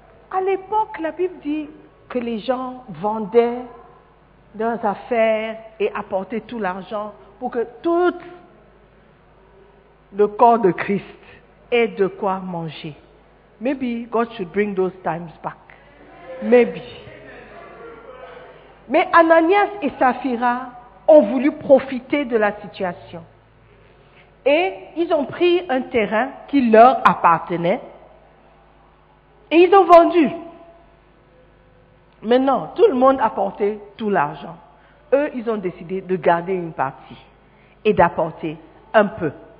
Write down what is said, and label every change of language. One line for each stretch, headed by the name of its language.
French: À l'époque, la Bible dit que les gens vendaient leurs affaires et apporter tout l'argent pour que tout le corps de Christ ait de quoi manger.
English: Maybe God should bring those times back. Maybe.
French: Mais Ananias et Saphira ont voulu profiter de la situation. Et ils ont pris un terrain qui leur appartenait et ils ont vendu. Maintenant, tout le monde apportait tout l'argent. Eux, ils ont décidé de garder une partie et d'apporter un peu.